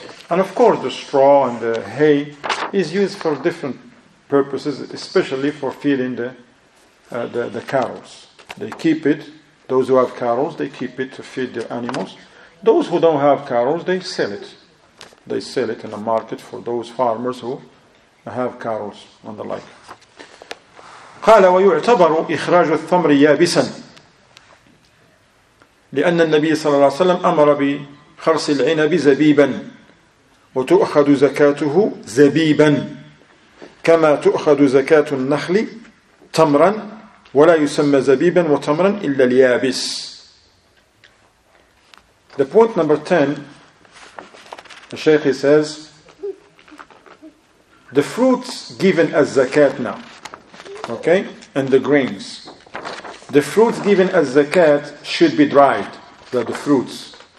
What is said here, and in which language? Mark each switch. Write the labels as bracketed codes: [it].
[en] And of course the straw and the hay is used for different purposes, especially for feeding the cows. They keep it, those who have cows, they keep it to feed their animals. Those who don't have cows, they sell it. They sell it in the market for those farmers who have cows and the like. [ar] قال ويعتبر إخراج الثمر يابسا لأن النبي صلى الله عليه وسلم أمر بخرص العنب زبيبا وتؤخذ زكاته زبيبا كما تؤخذ زكاة النخل تمرا ولا يسمى زبيبا وتمرا إلا اليابس. [en] The point number 10. The Shaykh, he says, the fruits given as zakat now, okay, and the grains. The fruits given as zakat should be dried, the fruits.